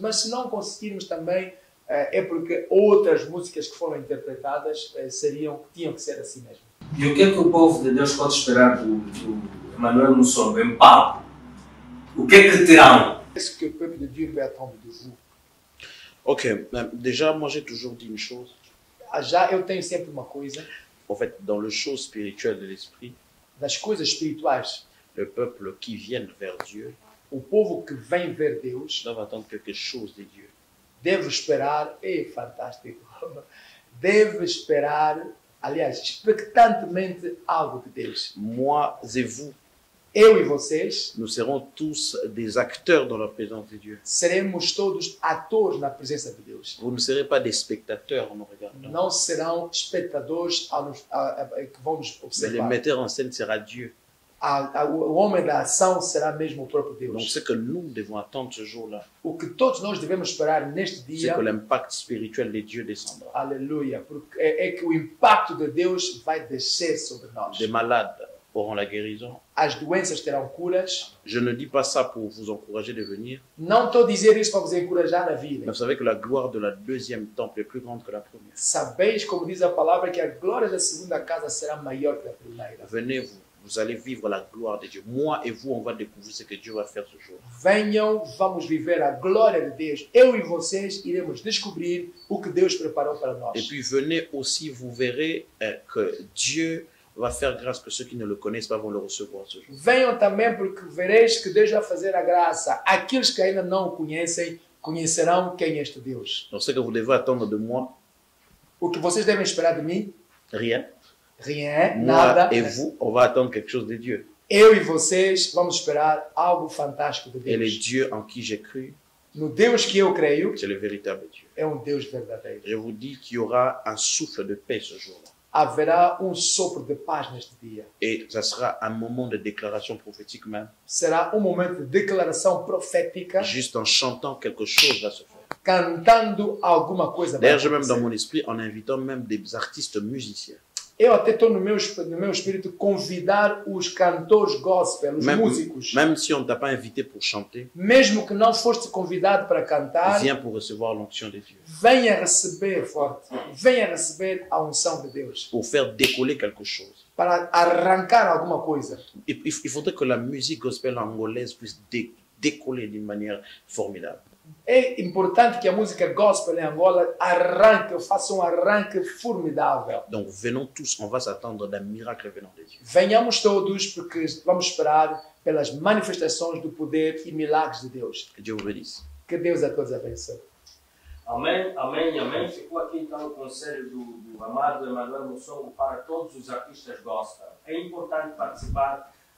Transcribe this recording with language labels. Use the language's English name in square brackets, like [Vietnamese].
[Portuguese] Mas se não conseguirmos também, é porque outras músicas que foram interpretadas tinham que ser assim mesmo. E o que é que o povo de Deus pode esperar do Emmanuel Mussonga em palco? O que é que terão? Penso que o povo de Deus vai atrás do jogo. [French] Ok, déjà, moi j'ai toujours dit une chose. [Portuguese] Já eu tenho sempre uma coisa. [French] En fait, dans le show spirituel de l'esprit, [Portuguese] das coisas espirituais, [French] le peuple qui vient vers Dieu, [Portuguese] o povo que vem ver Deus, deve [French] attendre quelque chose de Dieu. [Portuguese] Deve esperar, é fantástico. Deve esperar, aliás, expectantemente algo de Deus. [French] Moi et vous, [Portuguese] eu e vocês, [French] nous serons tous des acteurs dans la présence de Dieu. [Portuguese] Seremos todos atores na presença de Deus. [French] Vous ne serez pas des spectateurs en nous regardant. [Portuguese] Não serão espectadores que vão nos observar. [French] Mais le metteur en scène sera Dieu. [Portuguese] O homem da ação será mesmo o próprio Deus. [French] Donc, c'est que nous devons attendre ce jour-là. [Portuguese] O que todos nós devemos esperar neste dia, [French] c'est que l'impact spirituel de Dieu descendra. [Portuguese] Aleluia, porque é que o impacto de Deus vai descer sobre nós. [French] Des malades auront la guérison. [Portuguese] As doenças terão curas. [French] Je ne dis pas ça pour vous encourager de venir. [Portuguese] Não estou a dizer isso para [French] vous encourager à venir. Mais vous savez que la gloire de la deuxième temple est plus grande que la première. [Portuguese] Sabeis, como diz a palavra, que a glória da segunda casa será maior que a primeira. [French] Venez-vous. Vous allez vivre la gloire de Dieu. Moi et vous, on va découvrir ce que Dieu va faire ce jour. [Portuguese] Venham, vamos viver a glória de Deus. Eu e vocês iremos descobrir o que Deus preparou para nós. [French] Et puis venez aussi, vous verrez que Dieu va faire grâce que ceux qui ne le connaissent pas vont le recevoir ce jour. [Portuguese] Venham também porque vereis que Deus vai fazer a graça. Aqueles que ainda não o conhecem, conhecerão quem é este Deus. [French] Donc ce que vous devez attendre de moi. [Portuguese] O que vocês devem esperar de mim? [French] Rien. Rien, [Portuguese] nada. [French] Et vous, on va attendre quelque chose de Dieu. [Portuguese] Eu e vocês vamos esperar algo fantástico de Deus. Ele é [French] Dieu en qui j'ai cru. [Portuguese] No Deus que eu creio. [French] C'est le véritable Dieu. [Portuguese] É um Deus verdadeiro. [French] Je vous dis qu'il y aura un souffle de paix ce jour-là. [Portuguese] Haverá um sopro de paz neste dia. [French] Et ça sera un moment de déclaration prophétique même. [Portuguese] Será um momento de declaração profética. [French] Juste en chantant quelque chose va se faire. [Portuguese] Cantando alguma coisa. [French] D'ailleurs, même dans mon esprit, en invitant même des artistes musiciens. [Portuguese] Eu até estou no meu espírito convidar os cantores gospel, os músicos. [French] Même si on ne t'a pas invité pour chanter. [Portuguese] Mesmo que não foste convidado para cantar. [French] Viens pour recevoir l'onction de Dieu. [Portuguese] Venha receber forte. Venha receber a unção de Deus. [French] Pour faire décoller quelque chose. [Portuguese] Para arrancar alguma coisa. [French] Il faudrait que la musique gospel angolaise puisse décoller d'une manière formidable. [Portuguese] É importante que a música gospel em Angola arranque, faça um arranque formidável. [French] Donc, venons tous, on va s'attendre d'un miracle venant de Dieu. [Portuguese] Venhamos todos, porque vamos esperar pelas manifestações do poder e milagres de Deus. [French] Que Deus vos bénisse. [Portuguese] Que Deus a todos abençoe. Amém, amém, amém. Ficou aqui então o conselho do amado Emmanuel Mossongo para todos os artistas gospel. É importante participar.